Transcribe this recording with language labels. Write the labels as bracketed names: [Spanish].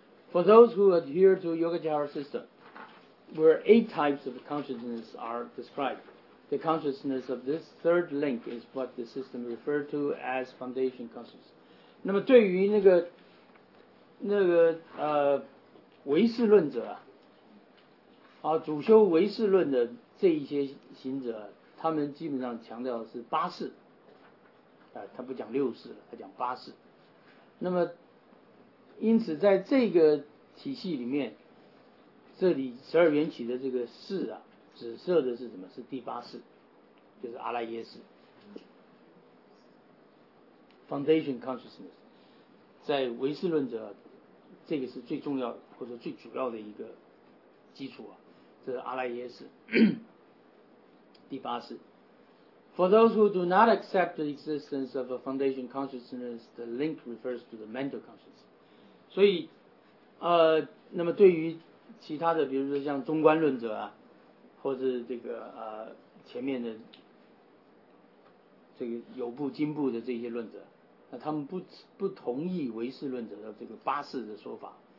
[English] For those who adhere to Yogacara system, where eight types of consciousness are described, the consciousness of this third link is what the system referred to as foundation consciousness. [Chinese] 那么对于那个唯识论者啊，啊，主修唯识论的这一些行者，他们基本上强调的是八识，他不讲六识了，他讲八识。那么因此在这个体系里面，这里十二缘起的这个识啊，指涉的是什么？是第八识，就是阿赖耶识 Foundation Consciousness。在唯识论者，这个是最重要或者最主要的一个基础啊，这是阿赖耶识第八识。 [English] For those who do not accept the existence of a foundation consciousness, the link refers to the mental consciousness. [Chinese] 所以那么对于其他的，比如说像中观论者啊，或者这个前面的这个有部经部的这些论者，那他们不同意唯识论者的这个八识的说法。